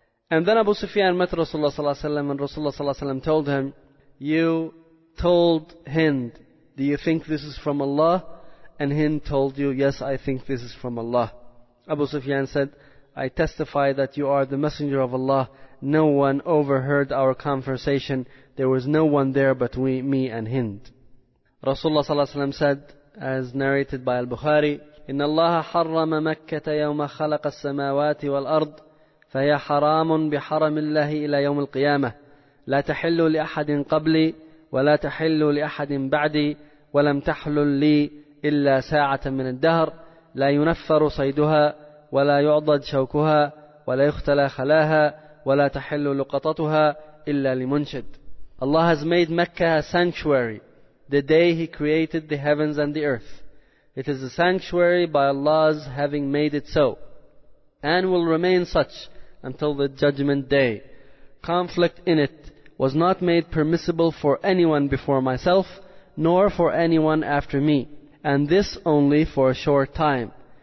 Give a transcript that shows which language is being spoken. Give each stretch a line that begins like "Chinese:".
English: And then Abu Sufyan met Rasulullah sallallahu alayhi wa sallam, and Rasulullah sallallahu alayhi wa sallam told him, you told Hind, do you think this is from Allah? And Hind told you, yes, I think this is from Allah. Abu Sufyan said, I testify that you are the messenger of Allah. No one overheard our conversation. There was no one there but me and Hind. Rasulullah sallallahu alayhi wa sallam said, as narrated by Al-Bukhari,
Arabic: إِنَّ اللَّهَ حَرَّمَ مَكَّةَ يَوْمَ خَلَقَ السَّمَاوَاتِ وَالْأَرْضِ فَهِيَ حَرَامٌ بِحَرَمِ اللَّهِ إِلَى يَوْمِ الْقِيَامَةِ لَا تَحِلُّ لِأَحَدٍ قَبْلِي وَلَا تَحِلُّ لِأَحَدٍ بَعْدِي وَلَمْ تَحْلُلْ لِي إِلَّا سَاعَةً مِنَ الدَّهْرِ لَا يُنَفَّرُ صَيْدُهَا وَلَا يُعْضَدْ شَوْكُهَا وَلَا يُخْتَلَى خَلَاهَا وَلَا تَحِلُّ لُقَطَتُهَا إِلَّا لِمُنْشِدْ.
English: Allah has made Mecca a sanctuary the day He created the heavens and the earth. It is a sanctuary by Allah's having made it so, and will remain such until the judgment day. Conflict in it was not made permissible for anyone before myself, nor for anyone after me, and this only for a short time.